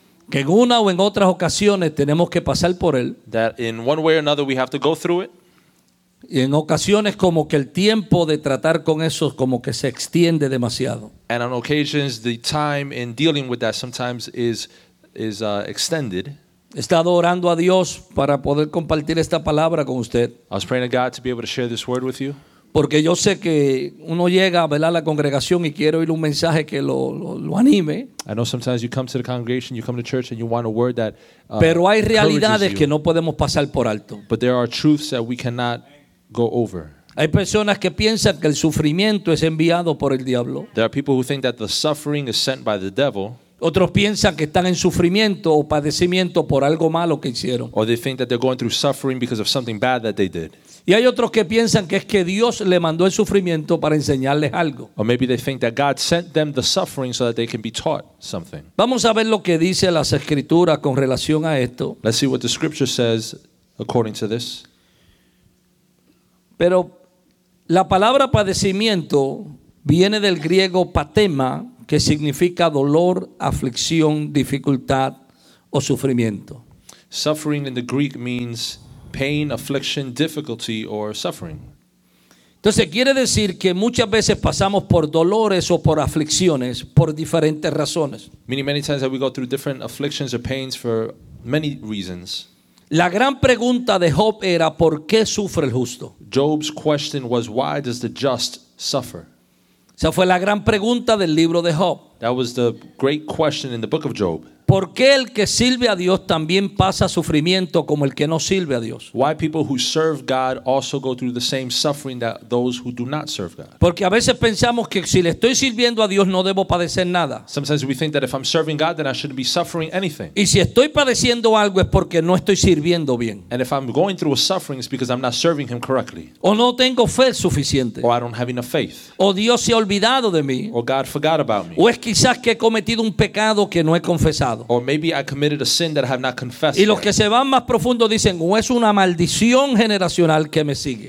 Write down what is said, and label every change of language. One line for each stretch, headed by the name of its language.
Spanish: Que en una o en otras ocasiones tenemos que pasar por él.
English: That in one way or another we have to go through it.
Spanish: Y en ocasiones como que el tiempo de tratar con eso como que se extiende demasiado.
English: And on occasions the time in dealing with that sometimes is extended.
Spanish: He estado orando a Dios para poder compartir esta palabra con usted.
English: I was praying to God to be able to share this word with you.
Spanish: Porque yo sé que uno llega a la congregación y quiere oír un mensaje que lo anime.
English: I know sometimes you come to the congregation, you come to church, and you want a word that encourages you.
Spanish: Pero hay realidades que no podemos pasar por alto.
English: But there are truths that we cannot go over.
Spanish: Hay personas que piensan que el sufrimiento es enviado por el diablo.
English: There are people who think that the suffering is sent by the devil.
Spanish: Otros piensan que están en sufrimiento o padecimiento por algo malo que hicieron.
English: Or they think that they're going through suffering because of something bad that they did.
Spanish: Y hay otros que piensan que es que Dios le mandó el sufrimiento para enseñarles algo.
English: Or maybe they think that God sent them the suffering so that they can be taught something.
Spanish: Vamos a ver lo que dice las escrituras con relación a esto.
English: Let's see what the scripture says according to this.
Spanish: Pero la palabra padecimiento viene del griego patema, que significa dolor, aflicción, dificultad o sufrimiento.
English: Suffering in the Greek means pain, affliction, difficulty or suffering.
Spanish: Entonces quiere decir que muchas veces pasamos por dolores o por aflicciones por diferentes razones.
English: Meaning many times that we go through different afflictions or pains for many reasons.
Spanish: La gran pregunta de Job era ¿por qué sufre el justo?
English: Job's question was why does the just suffer?
Spanish: Esa fue la gran pregunta del libro de Job.
English: That was the great question in the book of Job.
Spanish: ¿Por qué el que sirve a Dios también pasa sufrimiento como el que no sirve a Dios?
English: Why people who serve God also go through the same suffering that those who do not serve God?
Spanish: Porque a veces pensamos que si le estoy sirviendo a Dios no debo padecer nada.
English: Sometimes we think that if I'm serving God then I shouldn't be suffering anything.
Spanish: Y si estoy padeciendo algo es porque no estoy sirviendo bien.
English: And if I'm going through a suffering it's because I'm not serving him correctly.
Spanish: O no tengo fe suficiente.
English: Or I don't have enough faith.
Spanish: O Dios se ha olvidado de mí.
English: Or God forgot about me.
Spanish: O es quizás que he cometido un pecado que no he confesado.
English: Or maybe I committed a sin that I have not confessed.
Spanish: Y los que se van más profundo dicen, o es una maldición generacional que me sigue.